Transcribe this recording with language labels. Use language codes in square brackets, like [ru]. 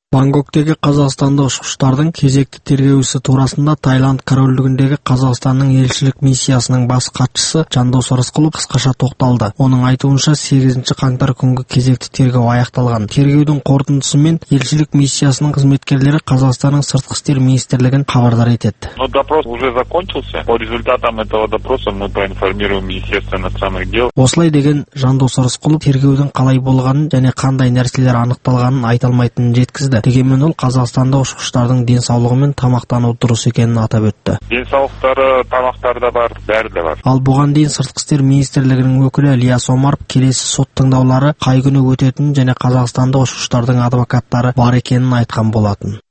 [kk] Бангоктегі қазақстандық ұшқыштардың кезекті тергеуісі турасында Таиланд корольдігіндегі Қазақстанның елшілік миссиясының бас хатшысы Жандос Рысқұлов қысқаша тоқталды. Оның айтуынша 8 қаңтар күнгі кезекті тергеу аяқталған. Тергеудің қорытындысымен елшілік миссиясының қызметкерлері Қазақстанның сыртқы істер министрлігін хабардар етеді. [ru] Но допрос уже закончился. По результатам этого допроса мы проинформируем Министерство иностранных дел. [kk] Осылай деген Жандос Рысқұлов тергеудің қалай болғанын және қандай нәрселер анықталғанын айта алмайтынын жеткізді. Дегенмен ол Қазақстанда ұшқыштардың денсаулығы мен тамақтануы дұрыс екенін атап өтті. Денсаулықтары, тамақтары да бар, бәрі де бар. Ал бұған дейін сыртқы істер министрлігінің өкілі Ілияс Омаров келесі сот тыңдаулары қай күні өтетінін және Қазақстанда ұшқыштардың адвокаттары бар екенін айтқан болатын.